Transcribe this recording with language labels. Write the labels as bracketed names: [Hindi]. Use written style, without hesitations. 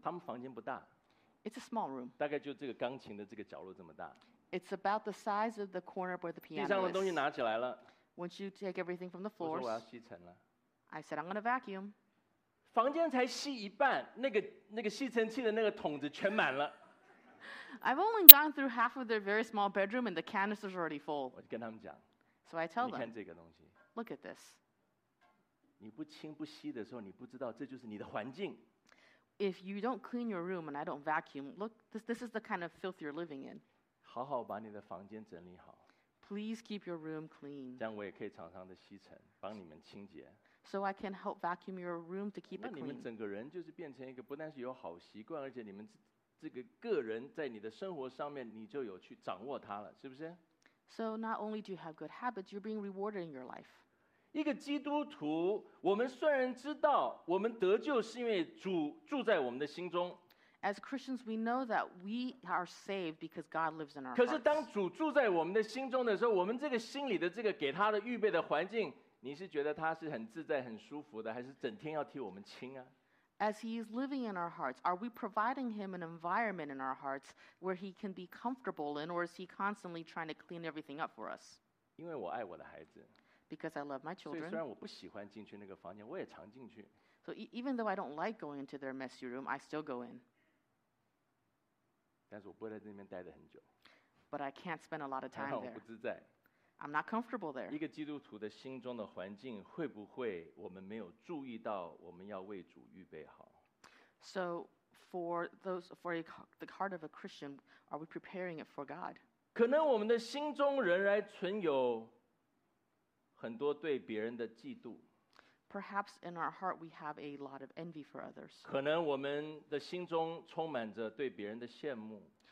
[Chinese] 他们房间不大。 [English] It's a small room. [Chinese] 大概就这个钢琴的这个角落这么大。 [English] It's about the size of the corner where the piano is. [Chinese] 地上的东西拿起来了。 [English] Once you take everything from the floors, [Chinese] 我说我要吸尘了。 [English] I said, I'm going to vacuum. [Chinese] 房间才吸一半，那个吸尘器的那个桶子全满了。 [English] I've only gone through half of their very small bedroom and the canister's already full. [Chinese] 我跟他们讲。 [English] So I tell them. [Chinese] 你看这个东西。 [English] Look at this. [Chinese] 你不清不吸的时候，你不知道这就是你的环境。 [English] If you don't clean your room and I don't vacuum, look, this is the kind of filth you're living in. [Chinese] 好好把你的房间整理好。 [English] Please keep your room clean. [Chinese] 这样我也可以常常的吸尘，帮你们清洁。 [English] So I can help vacuum your room to keep it clean. [Chinese] 那你们整个人就是变成一个不但是有好习惯，而且你们这个个人在你的生活上面，你就有去掌握它了，是不是 [English] ？So not only do you have good habits, you're being rewarded in your life. [Chinese] 一个基督徒，我们虽然知道我们得救是因为主住在我们的心中。 [English] As Christians, we know that we are saved because God lives in our hearts. [Chinese] 可是当主住在我们的心中的时候，我们这个心里的这个给他的预备的环境，你是觉得他是很自在、很舒服的，还是整天要替我们清啊？ [English] As he is living in our hearts, are we providing him an environment in our hearts where he can be comfortable in, or is he constantly trying to clean everything up for us? [Chinese] 因为我爱我的孩子。 [English] Because I love my children. [Chinese] 所以虽然我不喜欢进去那个房间，我也常进去。 [English] So even though I don't like going into their messy room, I still go in. [Chinese] 但是我不会在那边待得很久。 [English] But I can't spend a lot of time there. [Chinese] 我不自在。 [English] I'm not comfortable there. [Chinese] 一个基督徒的心中的环境，会不会我们没有注意到我们要为主预备好？ [English] So for those, for a, the heart of a Christian, are we preparing it for God? [Chinese] 可能我们的心中仍然存有很多对别人的嫉妒。 [English] Perhaps in our heart we have a lot of envy for others. [Chinese] 可能我们的心中充满着对别人的羡慕。